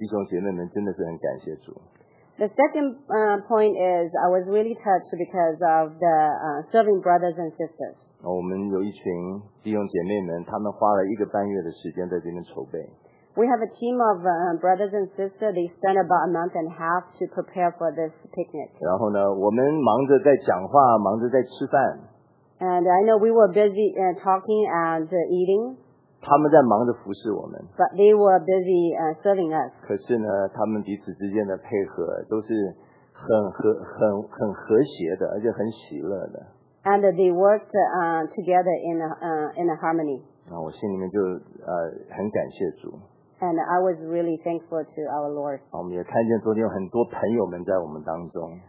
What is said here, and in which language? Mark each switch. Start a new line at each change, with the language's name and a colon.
Chinese: 那第二个呢，很深的感触是什么？就是啊，我为这些服侍的弟兄姐妹们真的是很感谢主。The
English: second point is I was really touched because of the serving brothers and sisters.
Chinese: 我们有一群弟兄姐妹们，他们花了一个半月的时间在这边筹备。We
English: have a team of brothers and sisters. They spent about a month and a half to prepare for this picnic.
Chinese: 然后呢，我们忙着在讲话，忙着在吃饭。And
English: I know we were busy talking and eating.
Chinese: 他们在忙着服侍我们,
English: but they were busy serving us.
Chinese: 可是呢, 他们彼此之间的配合都是很和谐的, 而且很喜乐的。
English: And they worked together in a harmony.
Chinese: 我心里面就, 很感谢主。
English: And I was really thankful to our Lord.
Chinese: 我们也看见昨天有很多朋友们在我们当中。